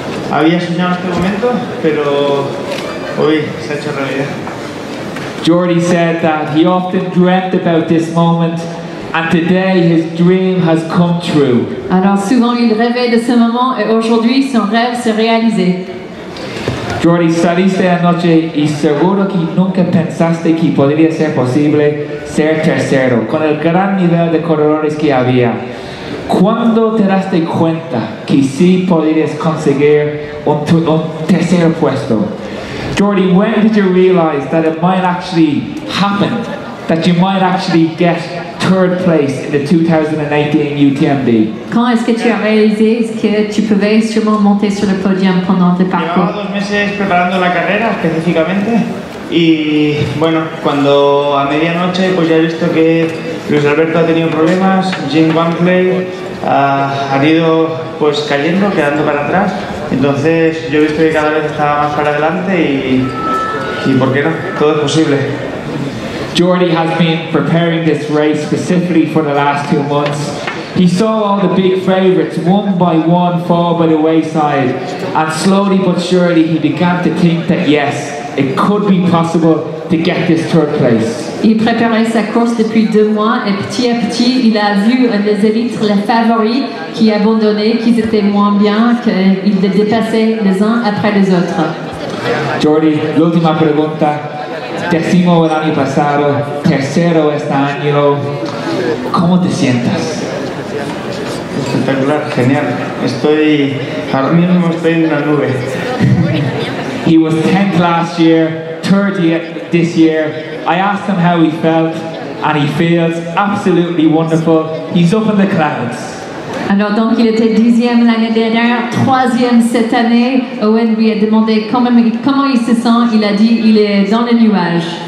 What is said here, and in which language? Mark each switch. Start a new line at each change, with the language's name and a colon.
Spanish: Había soñado este momento, pero hoy se ha hecho realidad.
English: Jordi said that he often dreamt about this moment, and today his dream has come true.
French: Alors souvent il rêvait de ce moment, et aujourd'hui son rêve s'est réalisé.
Spanish: Jordi, saliste anoche y seguro que nunca pensaste que podría ser posible ser tercero, con el gran nivel de corredores que había. ¿Cuándo te daste cuenta que sí podrías conseguir un tercer puesto?
English: Jordi, when did you realize that it might actually happen, that you might actually get to third place in the 2018 UTMB.
French: Quand est-ce que tu as réalisé que tu pouvais sûrement monter sur le podium pendant tes parcours?
Spanish: Llevaba dos meses preparando la carrera específicamente y bueno, cuando a medianoche pues ya he visto que Luis Alberto ha tenido problemas, Jim Wankley ha ido pues cayendo, quedando para atrás. Entonces yo he visto que cada vez estaba más para adelante y por qué no, todo es posible.
English: Jordi has been preparing this race specifically for the last 2 months. He saw all the big favorites one by one fall by the wayside, and slowly but surely he began to think that yes, it could be possible to get this third place.
French: Il préparait sa course depuis 2 mois et petit à petit il a vu les élites, les favoris qui abandonnaient, qu'ils étaient moins bien, qu'ils les dépassaient les uns après les autres.
Spanish: Jordi, l'ultima pregunta. Décimo el año pasado, tercero este año. ¿Cómo te sientes? Espectacular, genial. Estoy, ahora mismo estoy en una nube.
English: He was 10th last year, 30th this year. I asked him how he felt, and he feels absolutely wonderful. He's up in the clouds.
French: Alors donc il était 10e l'année dernière, 3e cette année. Owen lui a demandé comment il se sent. Il a dit il est dans les nuages.